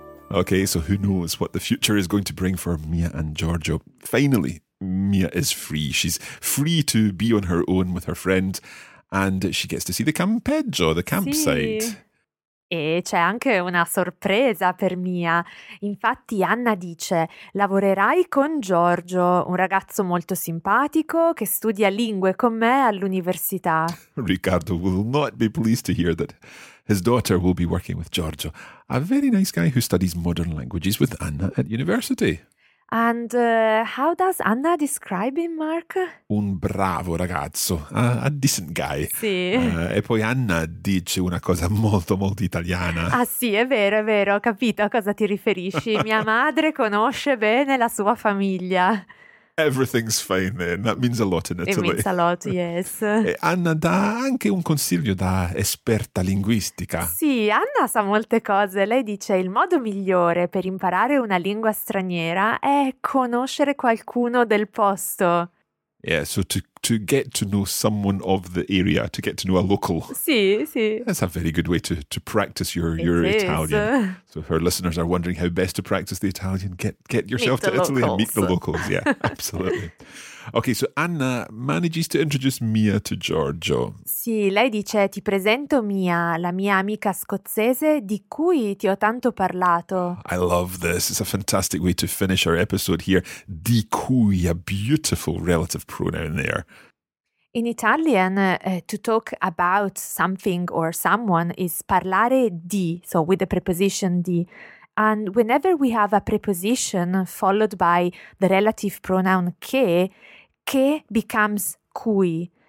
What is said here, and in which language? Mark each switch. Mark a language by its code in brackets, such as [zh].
[en] Okay, so who knows what the future is going to bring for Mia and Giorgio. Finally, Mia is free. She's free to be on her own with her friend and she gets to see the campeggio, the campsite. [it] Sì. E c'è anche una sorpresa per Mia. Infatti Anna dice, lavorerai con Giorgio, un ragazzo molto simpatico che studia lingue con me all'università. [en] Riccardo will not be pleased to hear that his daughter will be working with Giorgio, a very nice guy who studies modern languages with Anna at university. And how does Anna describe him, Mark? [it] Un bravo ragazzo, [en] a decent guy. [it] Sì. E poi Anna dice una cosa molto, molto italiana. Ah sì, è vero, ho capito a cosa ti riferisci. Mia madre conosce bene la sua famiglia. [en] Everything's fine then. That means a lot in Italy. It means a lot, yes. [it] Anna, dà anche un consiglio da esperta linguistica. Sì, Anna sa molte cose. Lei dice il modo migliore per imparare una lingua straniera è conoscere qualcuno del posto. [en] Yeah, so to get to know someone of the area, to get to know a local. [it] Sì, sì. [en] That's a very good way to practice your Italian. So if our listeners are wondering how best to practice the Italian, get yourself to Italy and meet the locals. Yeah, absolutely. Okay, so Anna manages to introduce Mia to Giorgio. [it] Sì, lei dice ti presento Mia, la mia amica scozzese di cui ti ho tanto parlato. [en] I love this. It's a fantastic way to finish our episode here. Di cui, a beautiful relative pronoun there. In Italian, to talk about something or someone is parlare di, so with the preposition di. And whenever we have a preposition followed by the relative pronoun che becomes cui.